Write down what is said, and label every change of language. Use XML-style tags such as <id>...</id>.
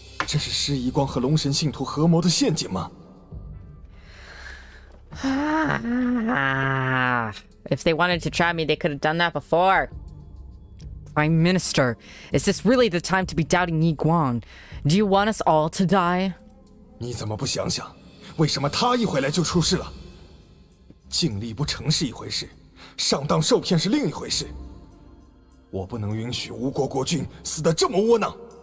<zh>这是施夷光和龙神信徒合谋的陷阱吗?</zh> <en>If they wanted to trap me, they could have done that before. Prime Minister, is this really the time to be doubting Yi Guan? Do you want us all to die?</en> <zh>你怎么不想想? 为什么他一回来就出事了?尽力不成是一回事, 上当受骗是另一回事。我不能允许吴国国君死得这么窝囊。</zh>